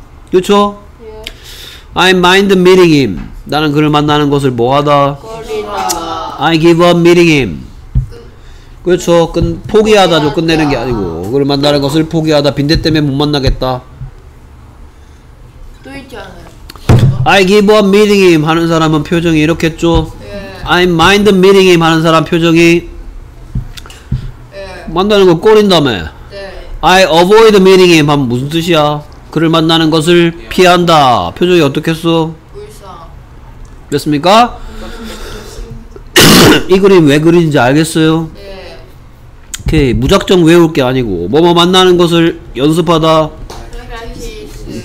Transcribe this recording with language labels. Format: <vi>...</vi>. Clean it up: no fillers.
<ko>그쵸?</ko> <en>I mind meeting him.</en> <ko>나는 그를 만나는 것을 뭐하다? 꺼리다.</ko> <en>I give up meeting him.</en> <ko>그렇죠. 포기하다죠. 끝내는 게 아니고. 그를 만나는 것을 포기하다. 빈대 때문에 못 만나겠다. 또 있지 않아요?</ko> <en>I give up meeting him</en> <ko>하는 사람은 표정이 이렇겠죠. 예.</ko> <en>I mind meeting him</en> <ko>하는 사람 표정이 예. 만나는 걸 꺼린다며. 네.</ko> <en>I avoid meeting him</en> <ko>하면 무슨 뜻이야? 그를 만나는 것을 피한다. 표정이 어떻겠어? 울상. 됐습니까? 이 그림 왜 그린지 알겠어요? 네. 오케이. 무작정 외울 게 아니고 뭐뭐 만나는 것을 연습하다.</ko> <en>Practice.</en>